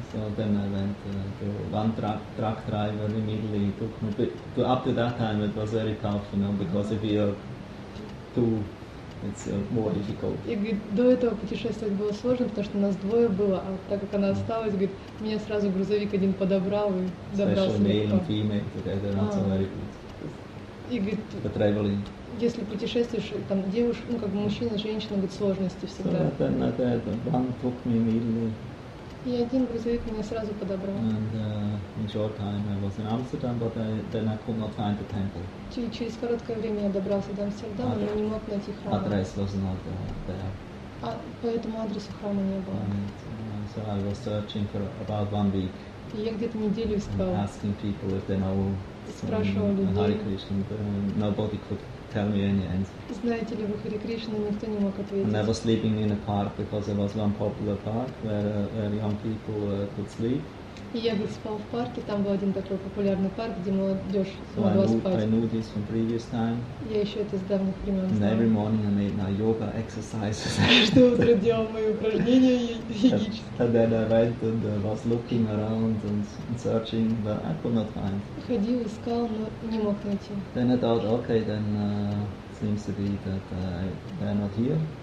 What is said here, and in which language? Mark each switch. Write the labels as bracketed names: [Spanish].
[English] So then I went to one truck driver immediately took me. But up to that time it was very tough, you know, because if you're too, it's more difficult. [Russian] И говорит, до этого путешествовать было сложно, потому что нас двое было, а так как она осталась, говорит, меня сразу грузовик один подобрал и добрался. [English] Especially male and female together, not so very good. [Russian] И говорит, если путешествуешь, там девушка, ну как бы мужчина, женщина, говорит, сложности всегда. [English] So that took me immediately. [Russian] И один грузовик меня сразу подобрал. [English] And in short time I was in Amsterdam, but then I could not find the temple. [Russian] Через короткое время я добрался до Амстердама, но не мог найти храм. Адрес [English] was not there. [Russian] А по этому адресу храма не было. [English] So I was searching for about 1 week. [Russian] И я где-то неделю искал. [English] Asking people if they know. [Russian] Спрашивал людей. [English] Hare Krishna, but nobody could tell me any answer. [Russian] Знаете ли вы Харе Кришну? Никто не мог ответить. [English] And I was sleeping in a park because there was one popular park where young people could sleep. [Russian] И я спал в парке, там был один такой популярный парк, где молодежь могла спать. [English] I knew this from previous time. [Russian] Я еще это с давних времен знал. [English] And every morning I made my yoga exercises. [Russian] Каждое утро делал мои упражнения йогические. [English] And then I went and was looking around and searching, but I could not find. [Russian] Ходил, искал, но не мог найти. [English] Then I thought, okay, then seems to be that they're not here.